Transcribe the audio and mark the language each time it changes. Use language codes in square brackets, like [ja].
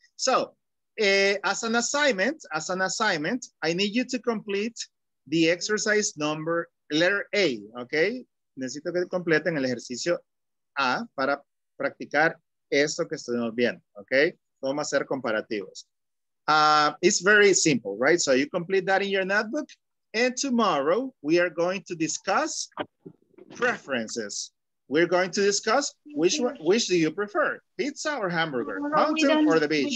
[en] So, as an assignment, I need you to complete the exercise number, letter A, okay? [es] Necesito que completen el ejercicio A para practicar esto que estuvimos viendo, okay? Vamos a hacer comparativos. [en] It's very simple, right? So you complete that in your notebook, and tomorrow we are going to discuss preferences. We're going to discuss which do you prefer, pizza or hamburger, mountain or the beach?